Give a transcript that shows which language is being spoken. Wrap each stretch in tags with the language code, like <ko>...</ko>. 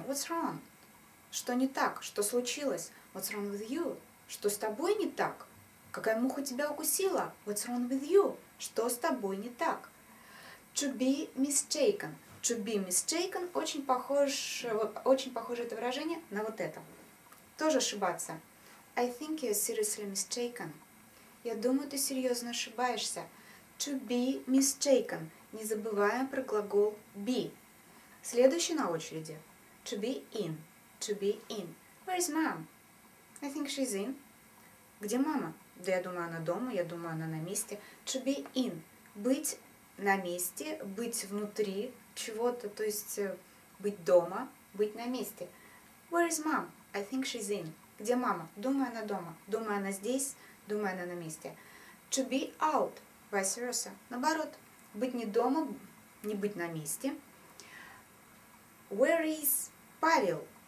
<en>What's wrong?</en> <ru>Что не так? Что случилось?</ru> <en>What's wrong with you?</en> <ru>Что с тобой не так? Какая муха тебя укусила?</ru> <en>What's wrong with you?</en> <ru>Что с тобой не так?</ru> <en>To be mistaken.</en> <ru>To be mistaken — очень похоже это выражение на вот это. Тоже ошибаться.</ru> <en>I think you're seriously mistaken.</en> <ru>Я думаю, ты серьезно ошибаешься.</ru> <en>To be mistaken.</en> <ru>Не забывая про глагол be.</ru> <en>Следующий на очереди. To be in. To be in. Where is mom? I think she's in.</en> <ru>Где мама? Да я думаю, она дома, я думаю, она на месте.</ru> <en>To be in.</en> <ru>Быть на месте, быть внутри чего-то, то есть быть дома, быть на месте.</ru> <en>Where is mom? I think she's in.</en> <ru>Где мама? Думаю, она дома. Думаю, она здесь. Думаю, она на месте.</ru> <en>To be out. Vice versa.</en> <ru>Наоборот. Быть не дома, не быть на месте.</ru> <en>Where is Павел?</en>